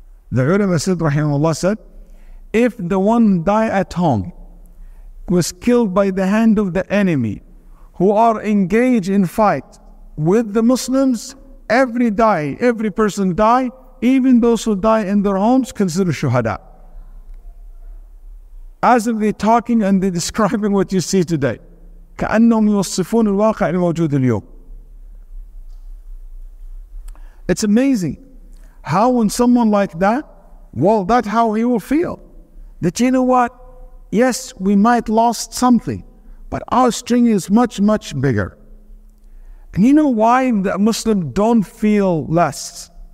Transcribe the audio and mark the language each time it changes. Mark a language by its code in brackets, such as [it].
[en] The ulama said, rahimahullah, said, if the one die at home was killed by the hand of the enemy who are engaged in fight with the Muslims, every person die, even those who die in their homes, consider shuhada. As if they're talking and they're describing what you see today. [ar] كأنهم يوصفون الواقع الموجود اليوم. [en] It's amazing how when someone like that, well, that's how he will feel. That you know what? Yes, we might lost something, but our strength is much, much bigger. And you know why the Muslim don't feel less?